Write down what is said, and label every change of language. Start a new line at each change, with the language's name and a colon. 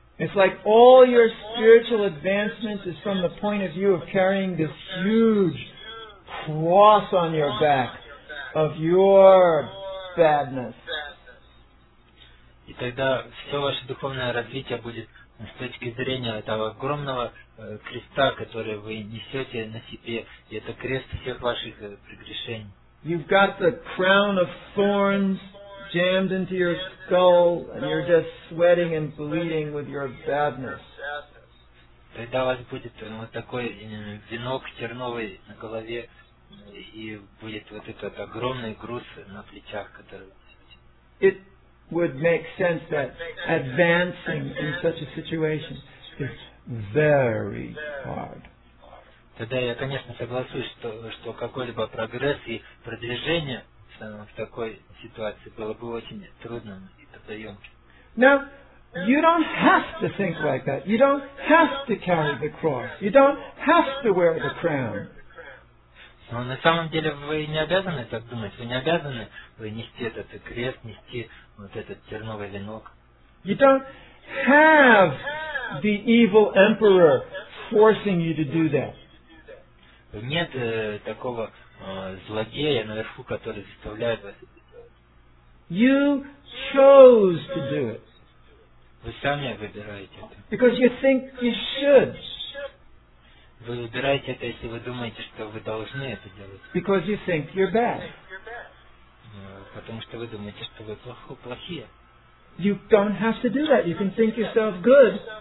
English: It's like all your spiritual advancement is from the point of view of carrying this huge cross on your back of your badness.
Russian: И тогда все ваше духовное развитие будет с точки зрения этого огромного креста, который вы несете на себе, и это крест всех ваших прегрешений.
English: You've got the crown of thorns jammed into your skull, and you're just sweating and bleeding with your badness.
Russian: Тогда у вас будет вот такой венок терновый на голове, и будет вот этот огромный груз на плечах, который...
English: It would make sense that advancing in such a situation is very hard.
Russian: Тогда я, конечно, согласуюсь, что какой-либо прогресс и продвижение в такой ситуации было бы очень трудным и трудоемким.
English: Now, you don't have to think like that. You don't have to carry the cross. You don't have to wear the crown.
Russian: Но на самом деле вы не обязаны так думать. Вы не обязаны нести этот крест, нести вот этот терновый венок.
English: You don't have the evil emperor forcing you to do that.
Russian: Нет такого злодея наверху, который заставляет вас.
English: You chose to do it.
Russian: Вы сами выбираете это.
English: Because you think you should.
Russian: Вы выбираете это, если вы думаете, что вы должны это делать.
English: Because you think you're bad.
Russian: Потому что вы думаете, что вы плохие.
English: You don't have to do that. You can think yourself good.